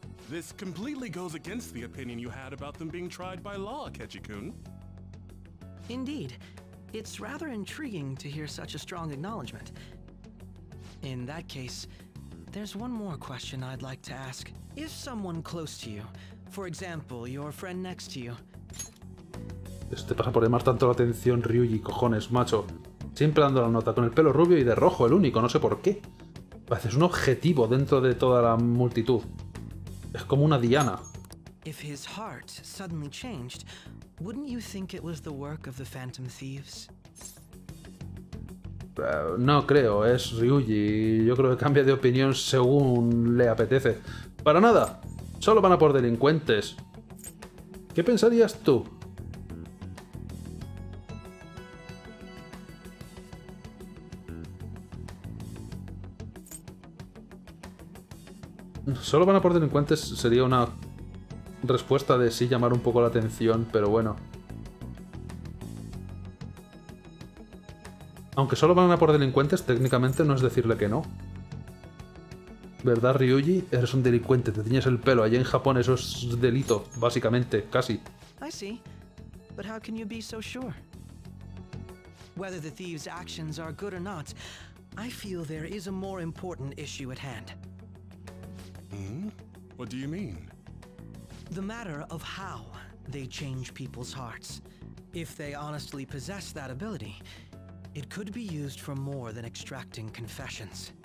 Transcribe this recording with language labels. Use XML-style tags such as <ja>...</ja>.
<en>This completely goes against the opinion you had about them being tried by law, Ketchikun. Indeed. It's rather intriguing to hear such a strong acknowledgement. In that case, there's one more question I'd like to ask. If someone close to you, for example, your friend next to you...</en> <es>Este pasa por llamar tanto la atención, Ryuji, cojones, macho. Siempre dando la nota, con el pelo rubio y de rojo, el único, no sé por qué. Pareces un objetivo dentro de toda la multitud. Es como una diana.</es> <en>If his heart suddenly changed, wouldn't you think it was the work of the Phantom Thieves?</en> <es>No creo, es Ryuji. Yo creo que cambia de opinión según le apetece. Para nada, solo van a por delincuentes. ¿Qué pensarías tú? Solo van a por delincuentes sería una respuesta de sí llamar un poco la atención, pero bueno. Aunque solo van a por delincuentes, técnicamente no es decirle que no. ¿Verdad, Ryuji? Eres un delincuente, te tiñes el pelo. Allí en Japón eso es delito, básicamente, casi.</es> <en>I see. But how can you be so sure? Whether the thieves' actions are good or not, I feel there is a more important issue at hand. Hmm? What do you mean? The matter of how they change people's hearts. If they honestly possess that ability, it could be used for more than extracting confessions.</en>